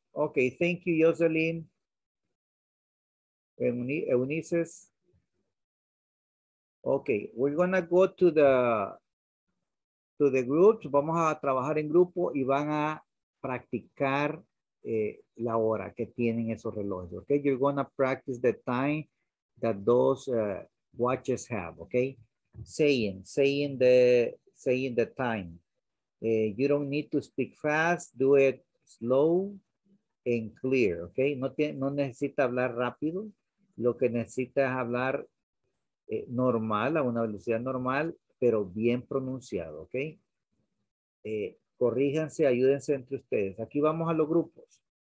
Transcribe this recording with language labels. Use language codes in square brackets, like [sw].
[en] Okay, thank you, Jocelyn. Eunices. Okay, we're gonna go to the groups. [es] Vamos a trabajar en grupo y van a practicar la hora que tienen esos relojes. [en] Okay, you're gonna practice the time that those watches have, okay? Saying the time. You don't need to speak fast, do it slow and clear, okay? [es] No necesita hablar rápido, lo que necesita es hablar normal, a una velocidad normal, pero bien pronunciado, okay? Corríjanse, ayúdense entre ustedes. Aquí vamos a los grupos.